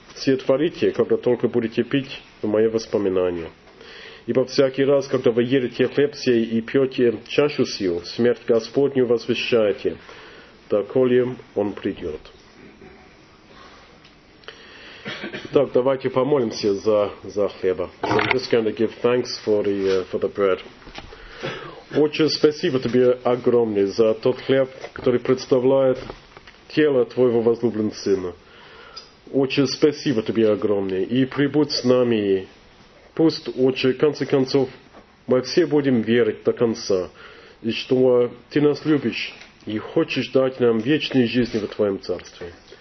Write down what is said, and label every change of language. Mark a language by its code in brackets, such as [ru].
[ru] Все творите, когда только будете пить в мое воспоминание. Ибо всякий раз, когда вы едете хлеб сей и пьете чашу сию, смерть Господню возвещаете, доколе он придет. Итак, давайте помолимся за хлеба. [en] So I'm just going to give thanks for the bread. [ru] Отче, спасибо тебе огромное за тот хлеб, который представляет тело твоего возлюбленного сына. Отче, спасибо тебе огромное, и прибудь с нами. Пусть, Отче, в конце концов, мы все будем верить до конца, и что ты нас любишь и хочешь дать нам вечной жизни в твоем царстве.